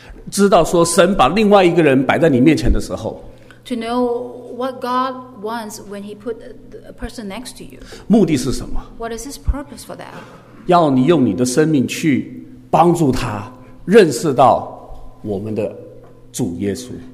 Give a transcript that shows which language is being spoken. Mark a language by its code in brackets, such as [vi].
[zh] 知道说神把另外一个人摆在你面前的时候。 [en] To know what God wants when he put a person next to you. [zh] 目的是什么。 [en] What is his purpose for that? [zh] 要你用你的生命去帮助他认识到我们的主耶稣。